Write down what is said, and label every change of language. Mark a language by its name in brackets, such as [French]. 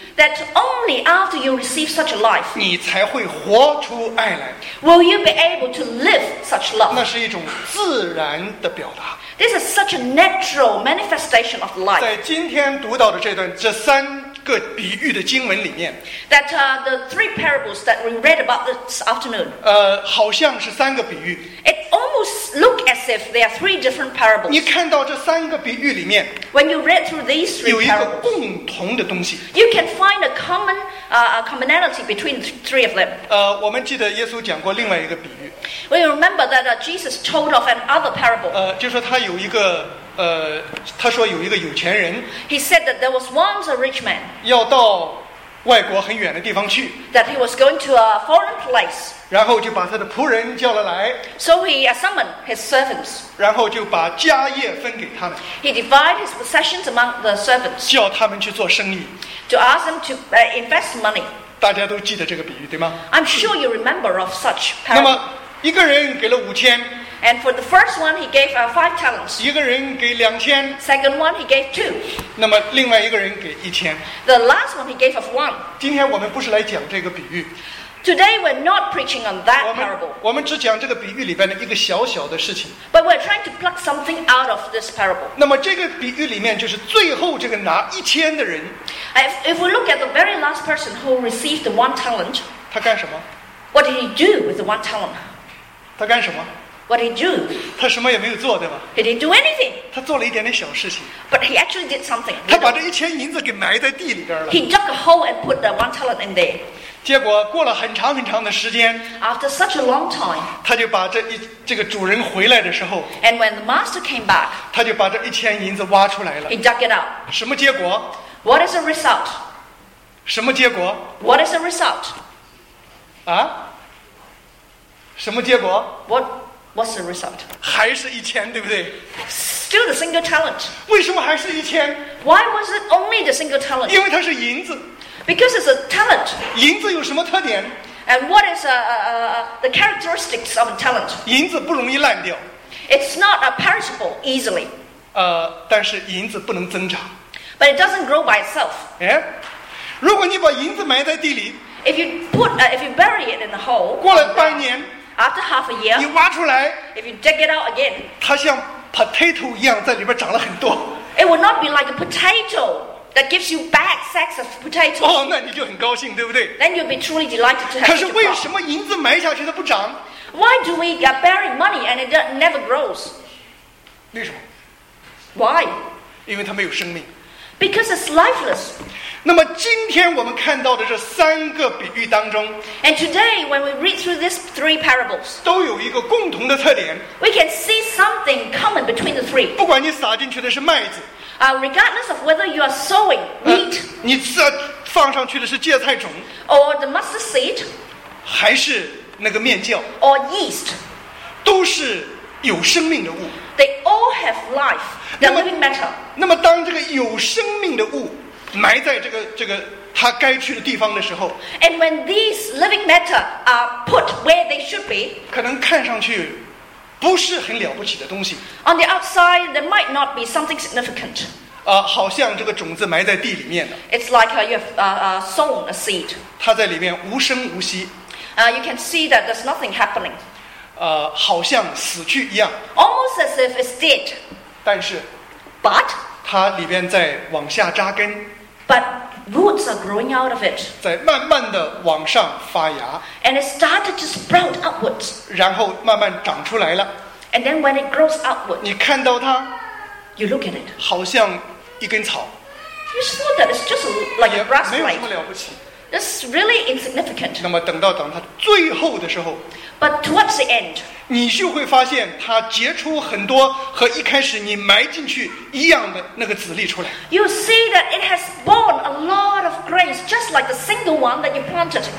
[English] That only after you receive such a life, [Chinese] 你才会活出爱来。 [English] Will you be able to live such love? [Chinese] 那是一种自然的表达。 [English] This is such a natural manifestation of life. [Chinese] 在今天读到的这段这三。各比喻的经文里面 [English] that the three parables that we read about this afternoon [Chinese] 好像是三个比喻 [English] it almost looks as as if there are three different parables. [Chinese] 你看到这三个比喻里面， [English] when you read through these three parables, [Chinese] 有一个共同的东西。 [English] You can find a common, a commonality between three of them. [Chinese] 我们记得耶稣讲过另外一个比喻。 [English] We remember that Jesus told of another parable. [Chinese] 就说他有一个他说有一个有钱人。 [English] He said that there was once a rich man. [Chinese] 要到外国很远的地方去。 [English] That he was going to a foreign place. [Chinese] 然后就把他的仆人叫了来。 [English] So he summoned his servants. [Chinese] 然后就把家业分给他们。 [English] He divided his possessions among the servants. [Chinese] 叫他们去做生意。 [English] To ask them to invest money. [Chinese] 大家都记得这个比喻对吗？ [English] I'm sure you remember of such parables. [Chinese] 那么一个人给了五千。 [English] And for the first one, he gave five talents. [Chinese] 一个人给两千。 [English] Second one, he gave two. [Chinese] 那么另外一个人给一千。 [English] The last one, he gave of one. [Chinese] 今天我们不是来讲这个比喻。 [English] Today, we're not preaching on that parable. [Chinese] 我们只讲这个比喻里边的一个小小的事情。 [English] But we're trying to pluck something out of this parable. [Chinese] 那么这个比喻里面就是最后这个拿一千的人。 [English] If we look at the very last person who received the one talent. [Chinese] 他干什么？ [English] What did he do with the one talent? [Chinese] 他干什么？ [English] What he do? [Chinese] 他什么也没有做，对吧？ [English] He didn't do anything. [Chinese] 他做了一点点小事情。 [English] But he actually did something. [Chinese] 他把这一千银子给埋在地里边了。 [English] He dug a hole and put the one talent in there. [Chinese] 结果过了很长很长的时间。 [English] After such a long time. [Chinese] 他就把这个主人回来的时候。 [English] And when the master came back. [Chinese] 他就把这一千银子挖出来了。 [English] He dug it out. [Chinese] 什么结果？ [English] What is the result? [Chinese] 什么结果？ [English] What is the result? [Chinese] 啊？什么结果？ [English] What's the result? [Chinese] 还是一千，对不对？ [English] Still the single talent. [Chinese] 为什么还是一千？ [English] Why was it only the single talent? [Chinese] 因为它是银子。 [English] Because it's a talent. [Chinese] 银子有什么特点？ [English] And what is the characteristics of a talent? [Chinese] 银子不容易烂掉。 [English] It's not a perishable easily. [Chinese] 但是银子不能增长。 [English] But it doesn't grow by itself. [Chinese] 如果你把银子埋在地里， [English] if you bury it in the hole, [Chinese] 过了半年。 [English] After half a year, [Chinese] 你挖出来， [English] if you dig it out again, [Chinese] 它像 potato 一样在里边长了很多。 [English] It will not be like a potato that gives you bad sacks of potatoes. [Chinese] 那你就很高兴，对不对？ [English] Then you'll be truly delighted to have. [Chinese] 可是为什么银子埋下去它不长？ [English] Why do we bury money and it never grows? [Chinese] 为什么？ [English] Why? [Chinese] 因为它没有生命。 [English] Because it's lifeless. [Chinese] 那么今天我们看到的这三个比喻当中， [English] And today when we read through these three parables, [Chinese] 都有一个共同的特点， [English] We can see something common between the three. [Chinese] 不管你撒进去的是麦子， [English] Regardless of whether you are sowing wheat, [Chinese] 你放上去的是芥菜种， [English] Or the mustard seed, [Chinese] 还是那个面酵， [English] Or yeast, [Chinese] 都是有生命的物。 [English] They all have life, they're living matter. [Chinese] 那么当这个有生命的物埋在这个它该去的地方的时候， [English] And when these living matter are put where they should be, [Chinese] 可能看上去不是很了不起的东西。 [English] On the outside, there might not be something significant. [Chinese] 好像这个种子埋在地里面的。 [English] It's like you have sown a seed. [Chinese] 它在里面无声无息。 [English] You can see that there's nothing happening. [Chinese] 好像死去一样。 [English] Almost as if it's dead. [Chinese] 但是。 [English] But. [Chinese] 它里边在往下扎根。 [English] But roots are growing out of it. [Chinese] 在慢慢的往上发芽。 [English] And it started to sprout upwards. [Chinese] 然后慢慢长出来了。 [English] And then when it grows upwards. [Chinese] 你看到它。 [English] You look at it. [Chinese] 好像一根草。 [English] You saw that it's just like a grass blade. [Chinese] 没有什么了不起。 [English] It's really insignificant. [Chinese] 那么等到它最后的时候。 [English] But towards the end. [Chinese] 你就会发现它结出很多和一开始你埋进去一样的那个籽粒出来。 [English] You see that it has borne a lot of grains, just like the single one that you planted.